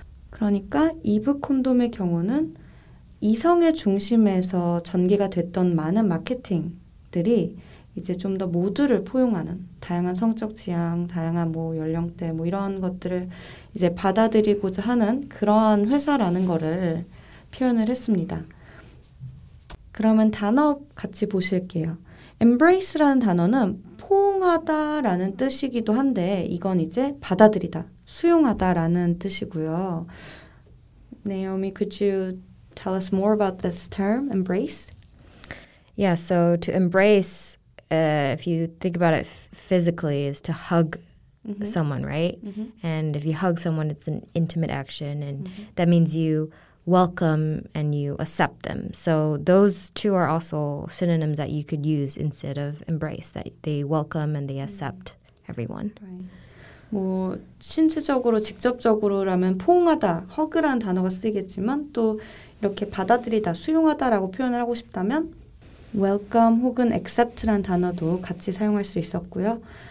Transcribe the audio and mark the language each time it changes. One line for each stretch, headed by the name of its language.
Korean: 그러니까 이브 콘돔의 경우는 이성의 중심에서 전개가 됐던 많은 마케팅들이 이제 좀 더 모두를 포용하는 다양한 성적 지향, 다양한 뭐 연령대 뭐 이런 것들을 이제 받아들이고자 하는 그러한 회사라는 거를 표현을 했습니다. 그러면 단어 같이 보실게요. Embrace라는 단어는 포옹하다라는 뜻이기도 한데 이건 이제 받아들이다, 수용하다라는 뜻이고요.
English: Naomi, could you tell us more about this term, embrace? Yeah, so to embrace, if you think about it physically, is to hug mm-hmm. someone, right? Mm-hmm. And if you hug someone, it's an intimate action, and mm-hmm. that means you welcome and you accept them. So those two are also synonyms that you could use instead of embrace, that they welcome and they accept mm-hmm. everyone. Right.
Korean: 뭐 신체적으로 직접적으로라면 포옹하다, 허그라는 단어가 쓰이겠지만 또 이렇게 받아들이다, 수용하다라고 표현을 하고 싶다면 welcome 혹은 accept라는 단어도 같이 사용할 수 있었고요.